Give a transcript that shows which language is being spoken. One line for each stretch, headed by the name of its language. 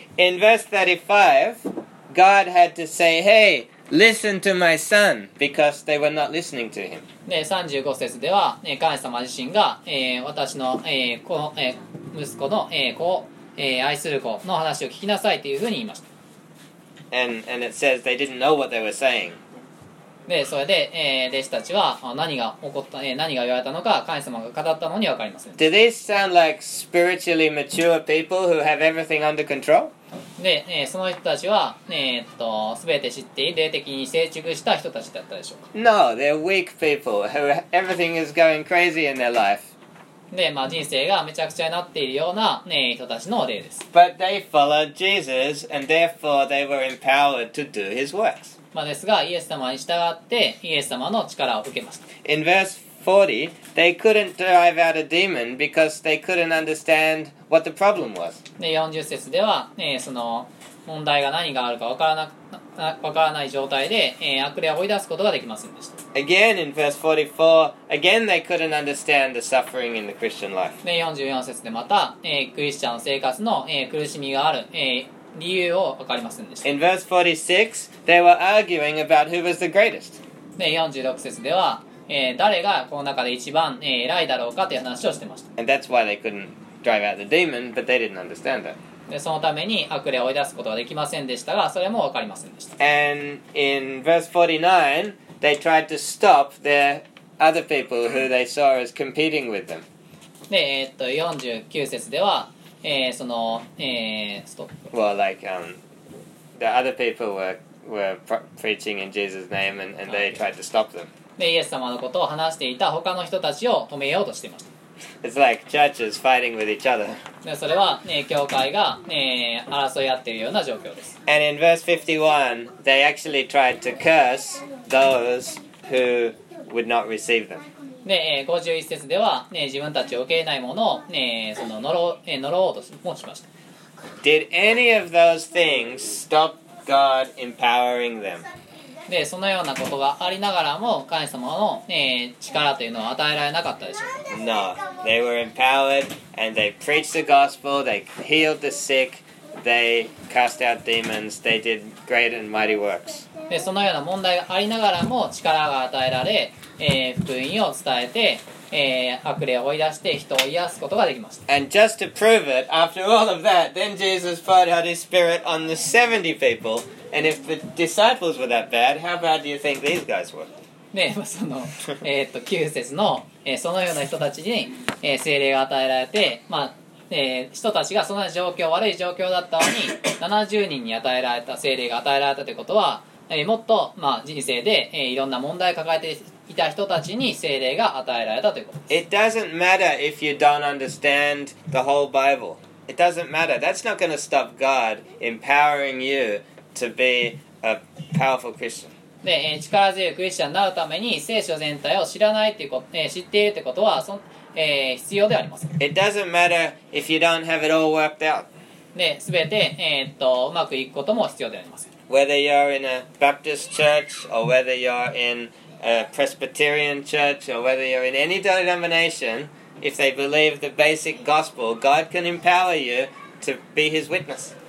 English: In verse 35, God had to say, Hey, listen to my son, because they were not listening to him.
Japanese: で、35節では、神様自身が、私の、この、息子の、子を、愛する子の話を聞きなさいというふうに言いました。
English: And it says they didn't know what they were saying.
Japanese: で、それで、弟子たちは何が起こった、何が言われたのか、神様が語ったのに分かりません。
English: Do these sound like spiritually mature people who have everything under control?
Japanese: で、その人たちは、全て知っている霊的に成熟した人たちだったでしょうか。
English: No, they're weak people who everything is going crazy in their life.
Japanese: で、まあ、人生がめちゃくちゃになっているような、人たちの霊です。
English: But they followed Jesus and therefore they were empowered to do his works.
Japanese: まあ、ですが、イエス様に従ってイエス様の力を受けました。
English: In verse 40, they couldn't drive out a demon because they couldn't understandWhat the problem was.
Japanese: で、40節では、その問題が何があるか分からない状態で、悪霊を追い出すことができませんでした。
English: Again, in verse 44, again they couldn't understand the suffering in the Christian life.
Japanese: で、44節でまた、クリスチャンの生活の、苦しみがある、理由を分かりませんでした。
English: In verse 46, they were arguing about who was the greatest.
Japanese: で、46節では、誰がこの中で一番、偉いだろうかという話をしてました。
English: And that's why they couldn't. Drive out the demon, but they didn't understand that.
Japanese: で、そのために悪霊を追い出すことはできませんでしたが、それも分かりませんでした。
English: And in verse 49, they tried to stop their other people who they saw as competing with them.
Japanese: で、49節では、その、
English: Well, like, the other people were preaching in Jesus' name and they tried to stop them.
Japanese: で、イエス様のことを話していた他の人たちを止めようとしていました。
English: It's like churches fighting with each other.
Japanese: で、それは、教会が、争い合っているような状況です。
English: And in verse 51, they actually tried to curse those who would not receive them.
Japanese: で、51節では、自分たちを受け入れないものを、その呪おうとしました。
English: Did any of those things stop God empowering them?
Japanese: で、そのようなことがありながらも神様の、力というのは与えられなかったでしょうか。
English: No, they were empowered and they preached the gospel, they healed the sick, they cast out demons, they did great and mighty works.
Japanese: で、そのような問題がありながらも力が与えられ、福音を伝えて、悪霊を追い出して人を癒すことができました。
English: And just to prove it, after all of that, then Jesus poured out his spirit on the 70 peopleAnd if the disciples were that bad, how bad do you think these guys were?
Japanese: ね、その、9節の、そのような人たちに、聖霊が与えられて、まあ、人たちがそんな状況、悪い状況だったのに、70人に与えられた、聖霊が与えられたということは、もっと、まあ、人生で、いろんな問題を抱えていた人たちに聖霊が与えられたということです。
English: It doesn't matter if you don't understand the whole Bible. It doesn't matter. That's not going to stop God empowering youTo be a powerful Christian.
Japanese: で、力強いクリスチャンになるために聖書全体を知らないということ、知っているということは必要ではありません。
English: It doesn't matter if you don't have it all worked out.
Japanese: で、すべて、うまくいくことも必要ではありません。
English: Whether you're in a Baptist church or whether you're in a Presbyterian church or whether you're in any denomination, if they believe the basic gospel, God can empower you to be His witness.